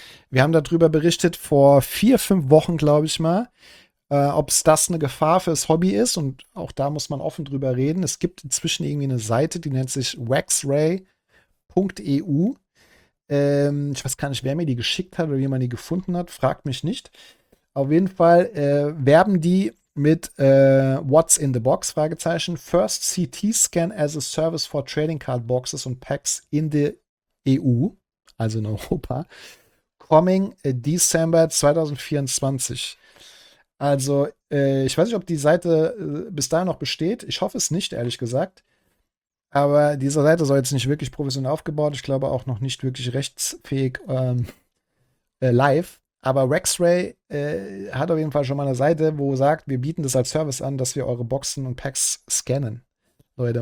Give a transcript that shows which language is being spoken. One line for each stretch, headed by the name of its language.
German: Wir haben darüber berichtet vor 4-5 Wochen, glaube ich mal, ob es das eine Gefahr fürs Hobby ist und auch da muss man offen drüber reden. Es gibt inzwischen irgendwie eine Seite, die nennt sich waxray.eu. Ich weiß gar nicht, wer mir die geschickt hat oder wie man die gefunden hat, fragt mich nicht. Auf jeden Fall werben die mit
English: What's in the Box?
German: Fragezeichen.
English: First CT Scan as a Service for Trading Card Boxes
German: und
English: Packs in the EU,
German: also in Europa.
English: Coming December 2024.
German: Also, ich weiß nicht, ob die Seite bis dahin noch besteht. Ich hoffe es nicht, ehrlich gesagt. Aber diese Seite soll jetzt nicht wirklich professionell aufgebaut. Ich glaube auch noch nicht wirklich rechtsfähig live. Aber Waxray hat auf jeden Fall schon mal eine Seite, wo sagt, wir bieten das als Service an, dass wir eure Boxen und Packs scannen, Leute.